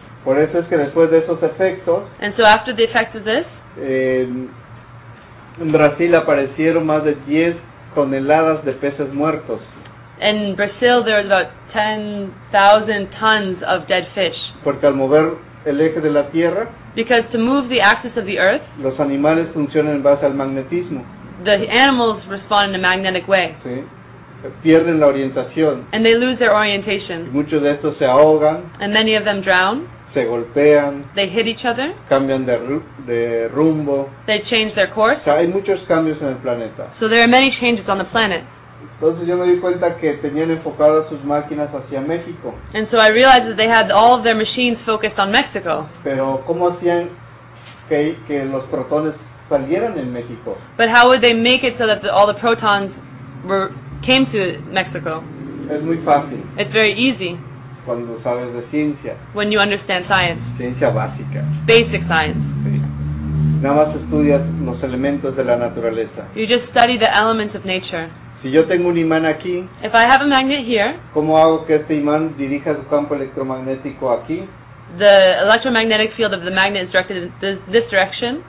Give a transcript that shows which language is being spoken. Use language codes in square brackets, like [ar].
[es] Por eso es que después de esos efectos. [en] And so after the effect of this. [es] En Brasil aparecieron más de 10 toneladas de peces muertos. [en] In Brazil, there was about 10,000 tons of dead fish. [es] Porque al mover el eje de la Tierra. [en] Because to move the axis of the Earth. [es] Los animales funcionan en base al magnetismo. [en] The animals respond in a magnetic way. [es] Sí. Pierden la orientación. [en] And they lose their orientation. [es] Y muchos de estos se ahogan. [en] And many of them drown. [es] Se golpean. [en] They hit each other. [es] Cambian de rumbo. [en] They change their course. [es] O sea, hay muchos cambios en el planeta. [en] So there are many changes on the planet. [es] Entonces yo me di cuenta que tenían enfocadas sus máquinas hacia México. [en] And so I realized that they had all of their machines focused on Mexico. [es] Pero ¿cómo hacían que los protones salieran en México? [en] But how would they make it so that all the protons came to Mexico? [es] Es muy fácil. [en] It's very easy. [es] Cuando sabes de ciencia. [en] When you understand science. [es] Ciencia básica. [en] Basic science. [es] Sí. Nada más estudias los elementos de la naturaleza. [en] You just study the elements of nature. [es] Si yo tengo un imán aquí, [en] if I have a magnet here, [es] ¿cómo hago que este imán dirija su campo electromagnético aquí? [en] The electromagnetic field of the magnet is directed in this direction.